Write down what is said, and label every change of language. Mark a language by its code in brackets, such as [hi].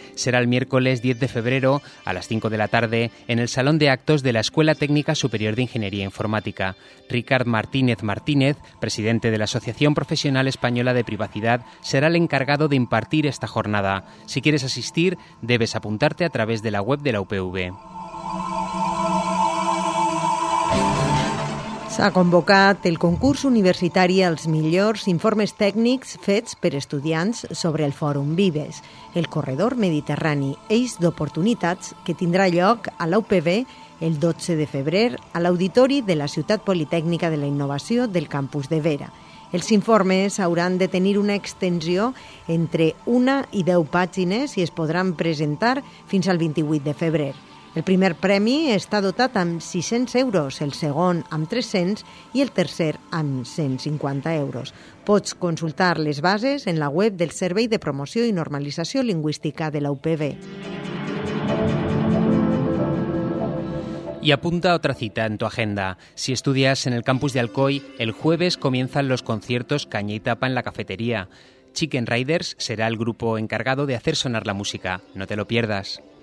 [es] Será el miércoles 10 de febrero a las 5 de la tarde en el Salón de Actos de la Escuela Técnica Superior de Ingeniería Informática. Ricard Martínez Martínez, presidente de la Asociación Profesional Española de Privacidad, será el encargado de impartir esta jornada. Si quieres asistir, debes apuntarte a través de la web de la UPV. [ca] S'ha convocat el concurs universitari als millors informes tècnics fets per estudiants sobre el Fòrum Vives, el corredor mediterrani Eix d'Oportunitats, que tindrà lloc a l'UPV el 12 de febrer a l'Auditori de la Ciutat Politècnica de la Innovació del Campus de Vera. Els informes hauran de tenir una extensió entre 1 i 10 pàgines i es podran presentar fins al 28 de febrer. El primer premi està dotat amb 600 euros, el segon amb 300 i el tercer amb 150 euros. Pots consultar les bases en la web del Servei de Promoció i Normalització Lingüística de la UPV. [es] Y apunta otra cita en tu agenda. Si estudias en el campus de Alcoy, el jueves comienzan los conciertos Caña y Tapa en la cafetería. Chicken Riders será el grupo encargado de hacer sonar la música. No te lo pierdas.